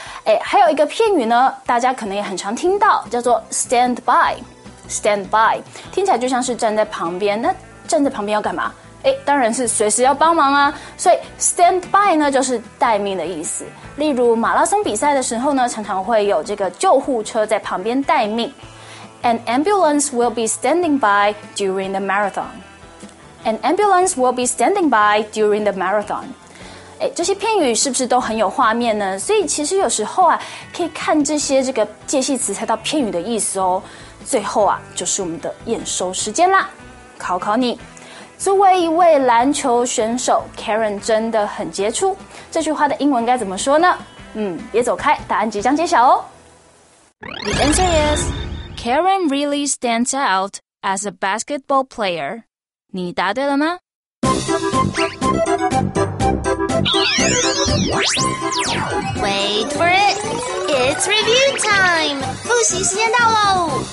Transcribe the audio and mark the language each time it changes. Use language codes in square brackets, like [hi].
[zh] 哎，还有一个片语呢，大家可能也很常听到，叫做 stand by， stand by， 听起来就像是站在旁边。那站在旁边要干嘛？哎，当然是随时要帮忙啊。所以 stand by 呢，就是待命的意思。例如马拉松比赛的时候呢，常常会有这个救护车在旁边待命。 [en] An ambulance will be standing by during the marathon. An ambulance will be standing by during the marathon. [zh] 哎，这些片语是不是都很有画面呢？所以其实有时候啊，可以看这些这个介系词猜到片语的意思哦。最后啊，就是我们的验收时间啦，考考你，作为一位篮球选手 ，Karen 真的很杰出。这句话的英文该怎么说呢？别走开，答案即将揭晓哦。 [en] The answer is Karen really stands out as a basketball player。 [zh] 你答对了吗？ [en] Wait for it. It's review time. [zh] 复习时间到喽。